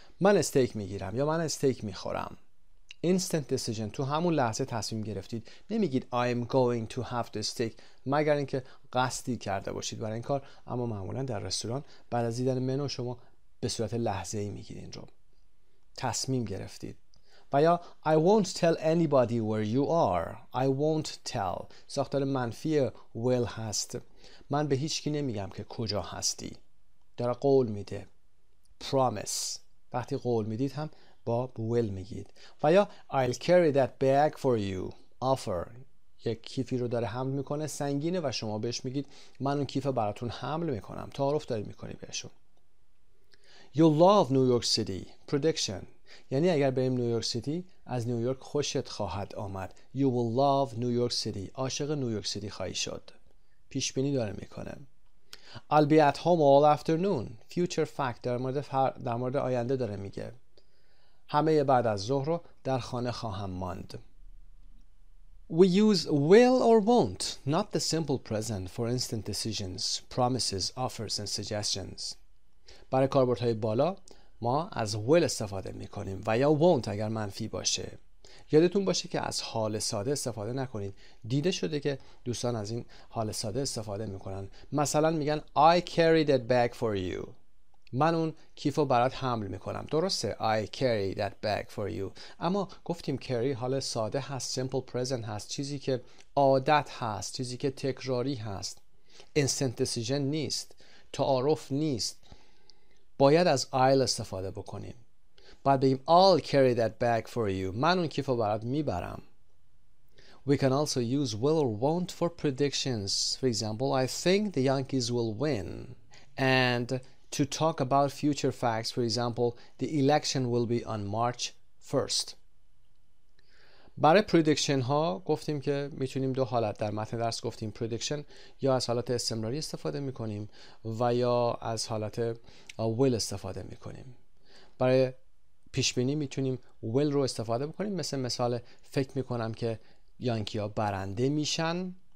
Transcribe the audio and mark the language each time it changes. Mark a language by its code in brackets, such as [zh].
[fa] من استیک می‌گیرم یا من استیک می‌خورم. Instant decision، تو همون لحظه تصمیم گرفتید. نمیگید [en] I'm going to have the steak، [fa] مگر اینکه قصدی کرده باشید برای این کار، اما معمولا در رستوران بعد از دیدن منو شما به صورت لحظه‌ای میگیدین رو تصمیم گرفتید. و یا [en] I won't tell anybody where you are. I won't tell [fa] ساختار منفی will هست. من به هیچ کی نمیگم که کجا هستی. داره قول میده. Promise، وقتی قول میدید هم با will میگید. و یا [en] I'll carry that bag for you. [fa] Offer، یک کیفی رو داره حمل میکنه، سنگینه و شما بهش میگید من اون کیف براتون حمل میکنم. تعارف داری میکنی بهشون. [en] You love New York City. [fa] Prediction، یعنی اگر بریم نیویورک سیتی از نیویورک خوشت خواهد آمد. [en] You will love New York City. [fa] عاشق نیویورک سیتی خواهی شد. پیشبینی داره میکنه. [en] I'll be at home all afternoon. [fa] فیوچر فکت در مورد آینده داره میگه. همه بعد از ظهر رو در خانه خواهم ماند. [en] We use will or won't, not the simple present, for instant decisions, promises, offers and suggestions. [fa] برای کاربردهای بالا ما از will استفاده میکنیم و یا won't اگر منفی باشه. یادتون باشه که از حال ساده استفاده نکنید. دیده شده که دوستان از این حال ساده استفاده میکنن. مثلا میگن [en] I carry that bag for you. [fa] من اون کیفو برات حمل میکنم. درسته [en] I carry that bag for you. [fa] اما گفتیم carry حال ساده هست، simple present هست، چیزی که عادت هست، چیزی که تکراری هست. Instant decision نیست، تعارف نیست. باید از I'll استفاده بکنیم. باید بگیم [en] I'll carry that bag for you. [fa] من اون کیفو برات میبرم. [en] We can also use will or won't for predictions. For example, I think the Yankees will win. And to talk about future facts, for example, the election will be on March 1st. [fa] برای prediction ها گفتیم که میتونیم دو حالت در متن درس گفتیم prediction یا از حالت استمراری استفاده میکنیم و یا از حالت will استفاده میکنیم. برای پیشبینی میتونیم will رو استفاده بکنیم، مثل مثال فکر میکنم که یانکی ها برنده میشن.